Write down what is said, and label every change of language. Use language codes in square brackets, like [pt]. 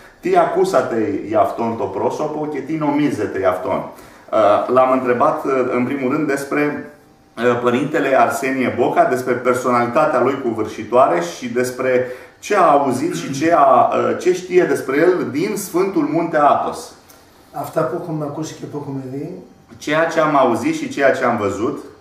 [el] Τι ακούσατε για αυτόν το πρόσωπο και τι νομίζετε για αυτόν. [ro] L-am întrebat în primul rând despre părintele Arsenie Boca, despre personalitatea lui cuvârșitoare și despre ce a auzit și ce știe despre el din Sfântul Munte Athos. [el] Αυτά που έχουμε ακούσει και που έχουμε δει. [ro] Ceea ce am auzit și ceea ce am văzut.